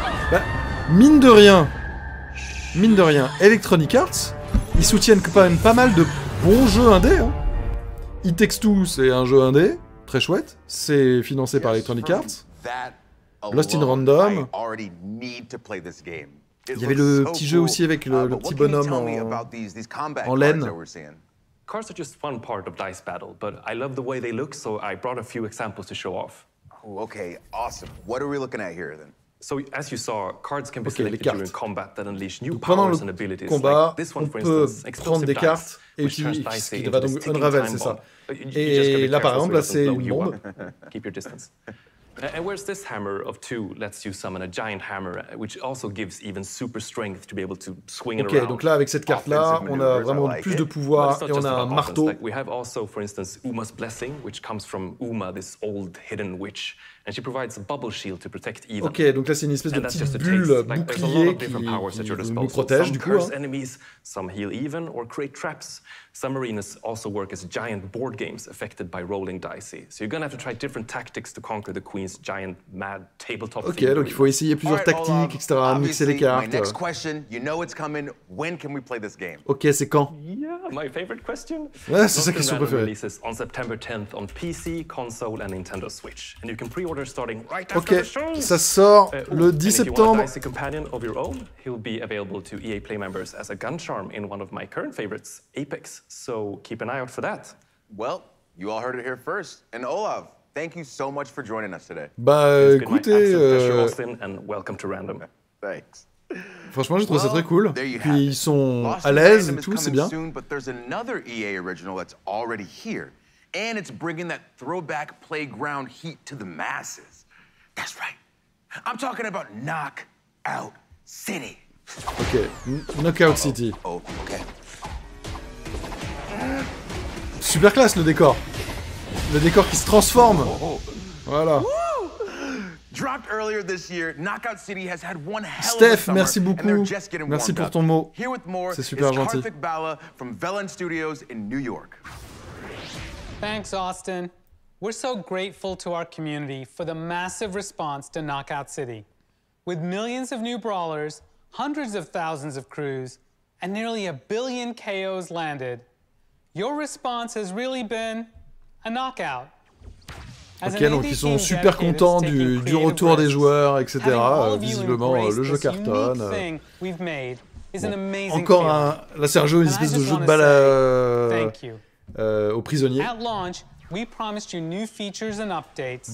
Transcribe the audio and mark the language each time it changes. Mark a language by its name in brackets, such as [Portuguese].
[French] Bah, mine de rien, Electronic Arts, ils soutiennent quand même pas mal de bons jeux indés. Hein. It Takes Two, c'est un jeu indé, très chouette. C'est financé par Electronic Arts. Lost in Random. Il y avait le petit jeu aussi avec le petit bonhomme en laine. [English] Cards are just one part of dice battle, but I love the way they look, so I brought a few examples to show off. Oh, okay, awesome. What are we looking at here then? So as you saw, cards can be selected during combat that unleash new powers and abilities. Combat, like this one, for instance, explosive dice, [French] cartes, et [English] which turns dice into a ticking time bomb. [French] C'est ça. Et là, par exemple, là, c'est une bombe. [English] Keep your distance. And where's this hammer of two lets you summon a giant hammer, which also gives even super strength to be able to swing it around. [French] Ok, donc là, avec cette carte-là, on a vraiment plus de pouvoir et on a un marteau. [English] We have also, for instance, Uma's Blessing, which comes from Uma, this old hidden witch. And she provides a bubble shield to protect even. [French] Ok, donc là, c'est une espèce de petite bulle bouclier qui nous protège, du coup. [English] Some curse enemies, some heal even, or create traps. Some arenas also work as giant board games affected by rolling dice. So you're gonna have to try different tactics to conquer the queen's giant mad tabletop. [French] Ok, donc il faut essayer plusieurs tactiques, etc. Mixer les cartes. [English] My next question, you know it's coming. When can we play this game? [French] Ok, c'est quand? [English] Yeah, my favorite question. [French] Ouais, c'est ça qui est son préféré. [English] Releases on September 10th on PC, console and Nintendo Switch, and you can pre-order starting right after the show. [French] Ok, ça sort le 10 septembre. [English] And if you want a dicey companion of your own, he'll be available to EA Play members as a gun charm in one of my current favorites, Apex. So keep an eye out for that. Well, you all heard it here first. And Olav, thank you so much for joining us today. [French] Bah, écoutez, [English] and welcome to Random. Thanks. [French] Franchement, j'ai trouvé ça très cool. Puis ils sont à l'aise et tout, c'est bien. [English] Soon, but there's another EA original that's already here, and it's bringing that throwback playground heat to the masses. That's right. I'm talking about Knockout City. Okay, Knockout City. Oh, okay. [French] Super classe le décor. Le décor qui se transforme. Voilà. [English] Dropped earlier this year, Knockout City has had one hell of a [French] Steph, [English] summer, [French] merci beaucoup. Merci pour ton mot. [English] Here with more, [French] c'est super gentil. [English] Karthik Bala from Velen Studios in New York. Thanks Austin. We're so grateful to our community for the massive response to Knockout City. With millions of new brawlers, hundreds of thousands of crews and nearly a billion KOs landed. Your response has really been a knockout. [French] Ok, donc ils sont super contents du retour des joueurs, etc. Visiblement, le jeu cartonne. Bon. Encore un... Là, c'est un jeu, une espèce de jeu de balle aux prisonniers. [English] At launch, We promised you new features and updates.